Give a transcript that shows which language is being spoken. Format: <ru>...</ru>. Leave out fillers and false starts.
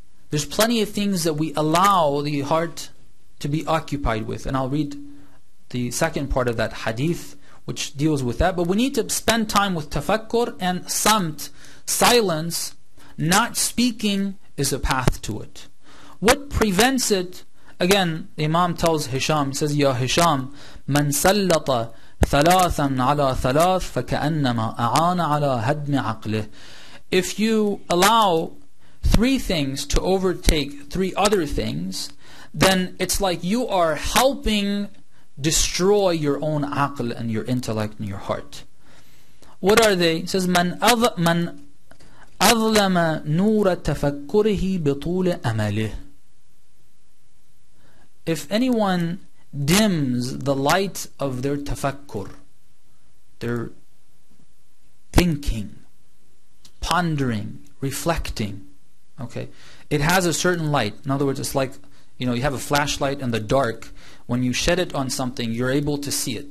<en>There's plenty of things that we allow the heart to be occupied with. And I'll read the second part of that hadith, which deals with that. But we need to spend time with tafakkur and samt, silence. Not speaking is a path to it. What prevents it? Again, the Imam tells Hisham, he says, Ya Hisham,</en> <ar>من سلط ثلاثا على ثلاث فكأنما أعان على هدم عقله.</ar> <en>If you allow three things to overtake three other things, then it's like you are helping destroy your own aql and your intellect and your heart. What are they? It says,</en> <ar>من أظلم نور تفكره بطول أمله.</ar> <en>If anyone dims the light of their tafakkur, their thinking, pondering, reflecting, okay, it has a certain light. In other words, it's like, you know, you have a flashlight in the dark. When you shed it on something, you're able to see it.</en>